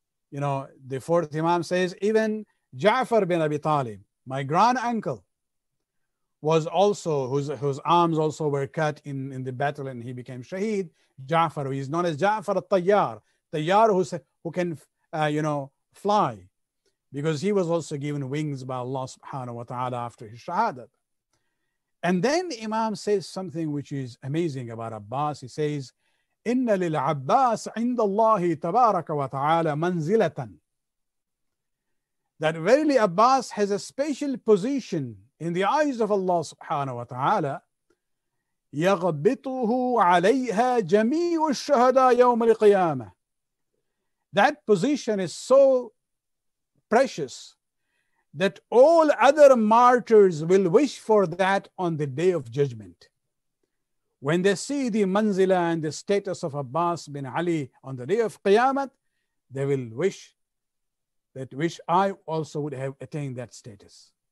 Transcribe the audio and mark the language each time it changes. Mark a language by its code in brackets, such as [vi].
[en] You know, the fourth Imam says, even Ja'far bin Abi Talib, my grand uncle, was also, whose arms also were cut in the battle, and he became Shaheed. Ja'far, he is known as Ja'far al-Tayyar, Tayyar who can, fly, because he was also given wings by Allah subhanahu wa ta'ala after his Shahadat. And then the Imam says something which is amazing about Abbas. [ar] He says, إن للعباس عند الله تبارك وتعالى منزلة. [en] That verily Abbas has a special position in the eyes of Allah subhanahu wa ta'ala. [ar] يغبطه عليها جميع الشهداء يوم القيامة. [en] That position is so precious that all other martyrs will wish for that on the day of judgment. When they see the manzila and the status of Abbas bin Ali on the day of Qiyamah, they will wish that I also would have attained that status.